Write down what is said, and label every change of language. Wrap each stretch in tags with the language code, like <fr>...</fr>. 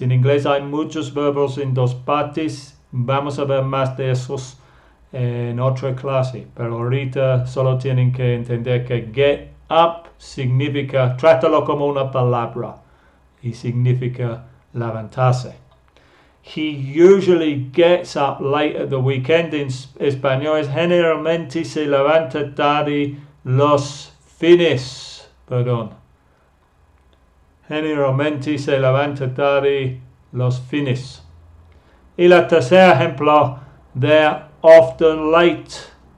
<es>En inglés hay muchos verbos en dos partes. Vamos a ver más de esos en otra clase. Pero ahorita solo tienen que entender que get up significa, trátalo como una palabra y significa levantarse.</es> <en>He usually gets up late at the weekend.</en> <es>En español es generalmente se levanta tarde los fines. Perdón. Generalmente se levanta tarde los fines. Y el tercer ejemplo,</es> <en>they're often late.</en>